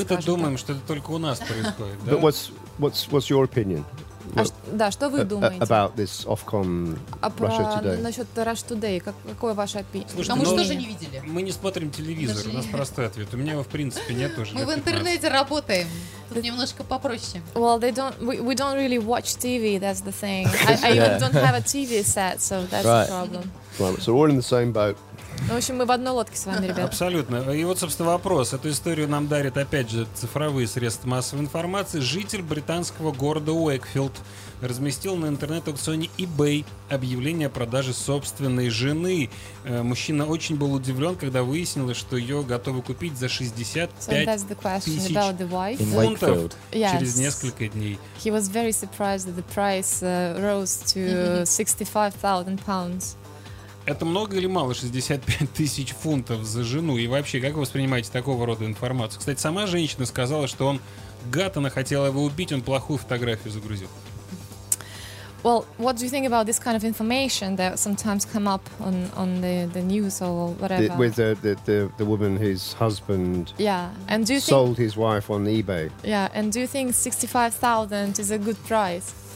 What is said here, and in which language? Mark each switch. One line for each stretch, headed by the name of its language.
Russian: Мы-то думаем, что это только у нас происходит.
English: But what's your opinion?
Russian: Да, что вы думаете?
English: About this Ofcom Russia Today.
Russian: Насчет Russia Today, какое ваше мнение? А мы что же не видели? Мы не смотрим телевизор, у нас простой ответ. У меня его, в принципе, нет уже. Мы в интернете работаем. Тут немножко попроще.
English: Well, we don't really watch TV, that's the thing. I even don't have a TV set, so that's the problem. So we're in the same boat.
Russian: Ну, в общем, мы в одной лодке с вами, ребята. Абсолютно. И вот, собственно, вопрос. Эту историю нам дарят, опять же, цифровые средства массовой информации. Житель британского города Уэйкфилд разместил на интернет-аукционе eBay объявление о продаже собственной жены. Мужчина очень был удивлен, когда выяснилось, что ее готовы купить за 65 тысяч фунтов через несколько дней.
English: He was very surprised that the price rose to 65,000 pounds.
Russian: Это много или мало 65 тысяч фунтов за жену? И вообще, как вы воспринимаете такого рода информацию? Кстати, сама женщина сказала, что он гад, она хотела его убить, он плохую фотографию загрузил.
English: Well, what do you think about this kind of information that sometimes come up on the news or whatever? With the woman whose husband sold his wife on eBay. Yeah, and do you think 65,000 is a good price?